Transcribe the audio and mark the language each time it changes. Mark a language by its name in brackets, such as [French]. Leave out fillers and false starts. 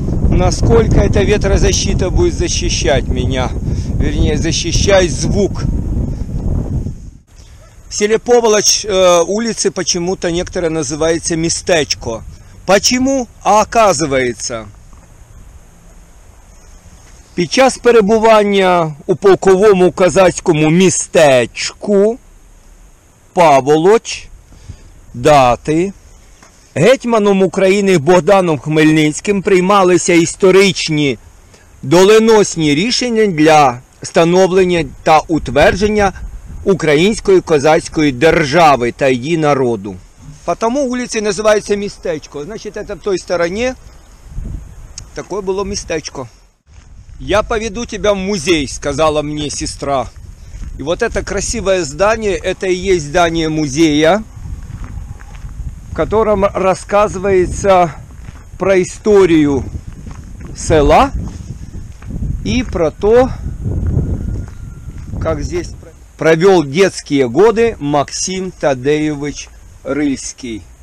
[Russian] Насколько эта ветрозащита будет защищать меня? Вернее, защищать звук. В селе Поволоч улицы почему-то некоторые называются Местечко. Почему? А оказывается... [Ukrainian] Під час перебування у полковому козацькому містечку Поволоч дати гетьманом України Богданом Хмельницьким приймалися історичні доленосні рішення для становлення та утвердження української козацької держави та її народу. Тому вулиці називаються містечко. Значить, це в той стороні таке було містечко. [Russian] «Я поведу тебя в музей», — сказала мне сестра. И вот это красивое здание, это и есть здание музея, в котором рассказывается про историю села и про то, как здесь провел детские годы Максим Тадеевич Рильский.